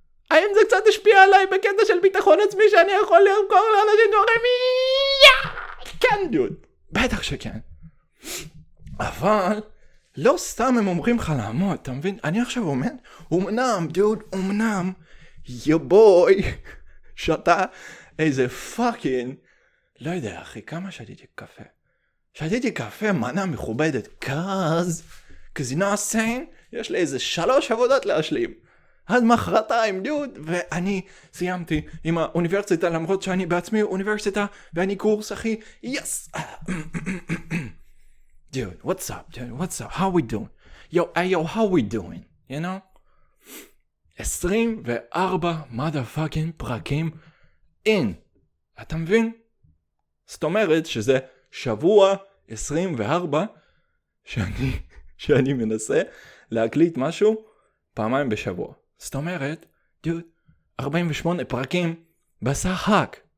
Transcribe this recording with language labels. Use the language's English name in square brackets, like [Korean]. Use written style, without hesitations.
[Hebrew] האם זה קצת השפיע עליי בקטע של ביטחון עצמי שאני יכול למכור לאנשים דברים? כן, דוד. בטח שכן. אבל לא סתם הם אומרים לך לעמוד, אתה מבין? אני עכשיו עומד? אמנם, דוד, אמנם. יא בוי, שאתה איזה פאקינג, לא יודע אחי, כמה שתיתי קפה? שתיתי קפה, מנה מכובדת, [English] cause you know what I'm saying? [Hebrew] יש לי איזה 3 עבודות להשלים. עד מחרתיים, דוד, ואני סיימתי עם האוניברסיטה, למרות שאני בעצמי אוניברסיטה, ואני קורס אחי, יס! דוד, [English] what's up, dude? What's up? How we doing? Yo, ayo, how we doing? You know? 24 motherfucking פרקים in. [Hebrew] אתה מבין? זאת אומרת שזה שבוע 24 שאני מנסה להקליט משהו פעמיים בשבוע. זאת אומרת, דוד, 48 פרקים בסחק.